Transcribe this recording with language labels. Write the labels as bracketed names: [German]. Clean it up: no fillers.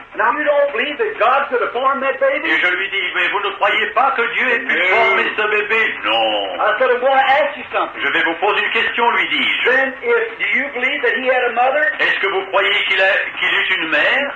[English] Now you don't believe that God could have formed that baby? [French] Et je lui dis, mais vous ne croyez pas que Dieu ait pu former ce bébé? Non. [English] I said, I'm going to ask you something. [French] Je vais vous poser une question, lui dis-je. [English] Then, if do you believe that he had a mother? [French] Est-ce que vous croyez qu'il eut une mère?